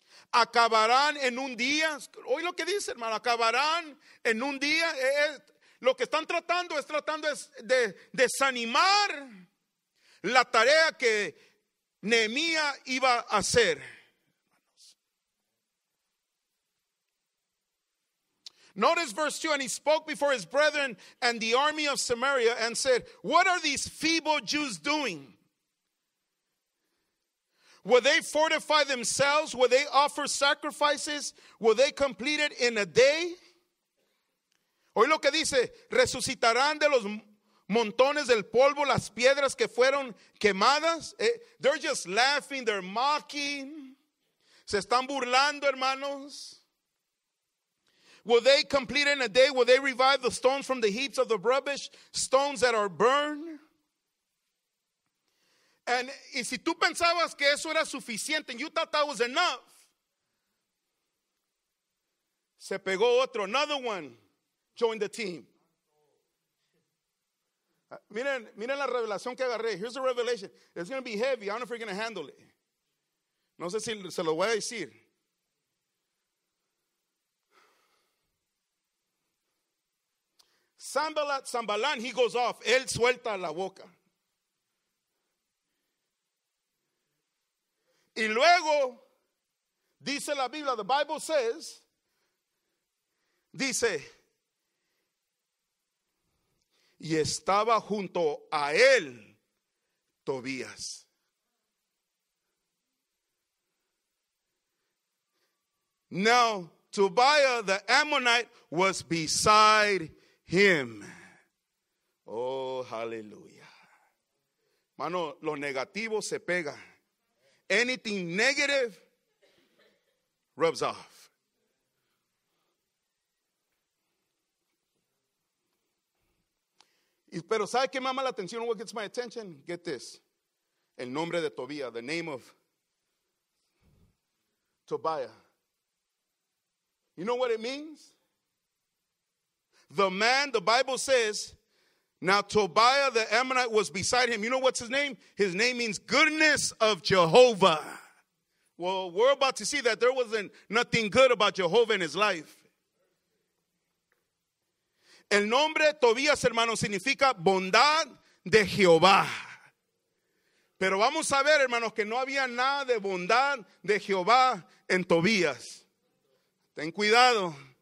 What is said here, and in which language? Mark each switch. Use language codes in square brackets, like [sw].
[es] ¿Acabarán en un día? Oye lo que dice, hermano, ¿acabarán en un día? Lo que están tratando es de desanimar la tarea que Nehemías iba a hacer. [en] Notice verse 2, and he spoke before his brethren and the army of Samaria and said, what are these feeble Jews doing? Will they fortify themselves? Will they offer sacrifices? Will they complete it in a day? [es] Oye lo que dice, resucitarán de los montones del polvo las piedras que fueron quemadas. [en] They're just laughing, they're mocking. [es] Se están burlando, hermanos. [en] Will they complete in a day? Will they revive the stones from the heaps of the rubbish? Stones that are burned? [es] Y si tú pensabas que eso era suficiente, [en] and you thought that was enough, [es] se pegó otro, [en] another one joined the team. [es] Miren la revelación que agarré. [en] Here's the revelation. It's going to be heavy. I don't know if you're going to handle it. [es] No sé si se lo voy a decir. Sambalán, [en] he goes off. [es] Él suelta la boca. Y luego, dice la Biblia, [en] the Bible says, [es] dice, y estaba junto a él, Tobías. [en] Now, Tobiah the Ammonite was beside him. [es] Oh, hallelujah. Mano, lo negativo se pega. [en] Anything negative rubs off. [es] Pero ¿sabe qué me llama la atención? [en] What gets my attention? Get this. [es] El nombre de Tobías. [en] The name of Tobiah. You know what it means? The man, the Bible says, now Tobiah the Ammonite was beside him. You know what's his name? His name means goodness of Jehovah. Well, we're about to see that there wasn't nothing good about Jehovah in his life. [es] El nombre Tobías, hermano, significa bondad de Jehová. Pero vamos a ver, hermanos, que no había nada de bondad de Jehová en Tobías. Ten cuidado.